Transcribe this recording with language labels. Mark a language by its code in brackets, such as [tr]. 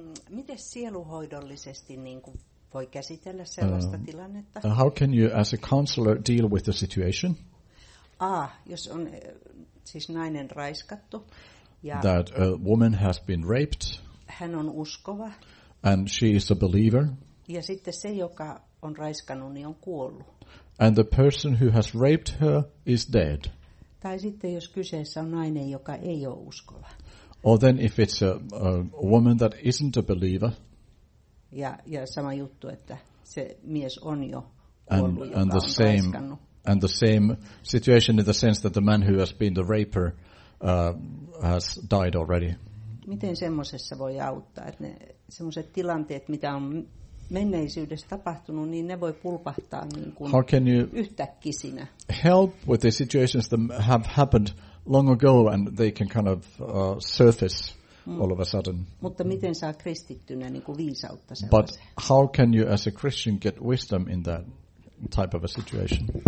[fi] Miten sielunhoidollisesti niinku voi käsitellä sellaista tilannetta? [en] How can you as a counselor deal with the situation? [fi] Jos on siis nainen raiskattu ja [en] that a woman has been raped. [fi] Hän on uskova. [en] And she is a believer. [fi] Ja sitten se, joka on raiskannut, niin on kuollut. [en] And the person who has raped her is dead. [fi] Tai sitten jos kyseessä on nainen, joka ei ole uskova. [en] Or then if it's a woman that isn't a believer. [fi] Ja sama juttu, että se mies on jo kuollut, [en] and [fi] joka on same, raiskannut. [en] And the same situation in the sense that the man who has been the raper has died already. [fi] Miten semmoisessa voi auttaa, että ne semmoiset tilanteet, mitä on menneisyydessä tapahtunut, niin ne voi pulpahtaa niin kuin [en] how can you [fi] yhtäkkisinä. [en] Help with the situations that have happened long ago and they can kind of surface all of a sudden. [fi] Mutta miten saa kristittynä niin kuin viisautta sellaiseen? [en] But how can you as a Christian get wisdom in that type of a situation?